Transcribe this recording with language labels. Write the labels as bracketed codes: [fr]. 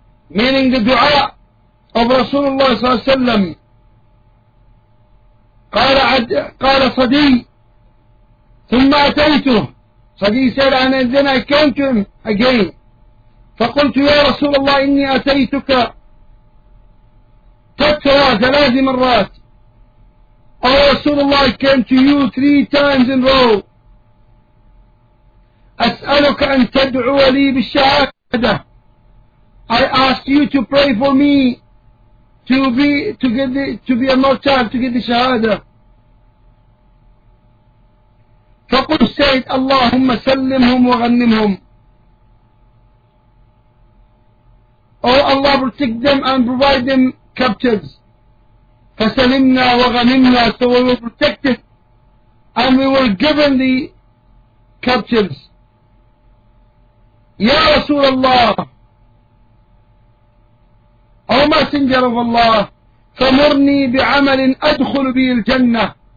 [en] meaning the dua of Rasulullah صلى الله عليه وسلم [ar] قال صدي ثم أتيته صدي [en] said and then I came to him again [ar] فقلت يا رسول الله إني أتيتك تترى ثلاث مرات [en] Oh Rasulullah, I came to you three times in a row. [ar] أسألك أن تدعو لي بالشهادة. [en] I ask you to pray for me to be a martyr to get the شهادة. [ar] فقل سيد اللهم سلمهم وغنمهم. [en] Oh Allah, protect them and provide them captives. [ar] فسلمنا وغنمنا [en] so we were protected and we were given the captives [ar] يا رسول الله [en] O messenger of Allah [ar] فمرني بعمل أدخل به الجنة